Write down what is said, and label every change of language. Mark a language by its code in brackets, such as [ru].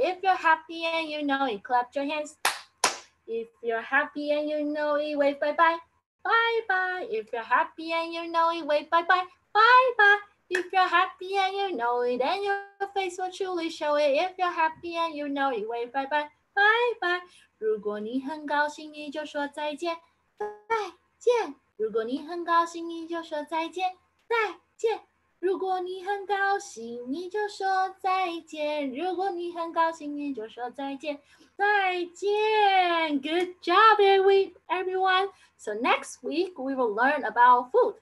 [en] If you're happy and you know it, clap your hands. If you're happy and you know it, wave bye-bye. Bye-bye. If you're happy and you know it, wave bye-bye. Bye-bye. If you're happy and you know it, then your face will truly show it. If you're happy and you know it, wave bye-bye. [zh] 拜拜，如果你很高兴，你就说再见，再见。如果你很高兴，你就说再见，再见。如果你很高兴，你就说再见。如果你很高兴，你就说再见。再见。 [en] Good job, everyone. So next week, we will learn about food.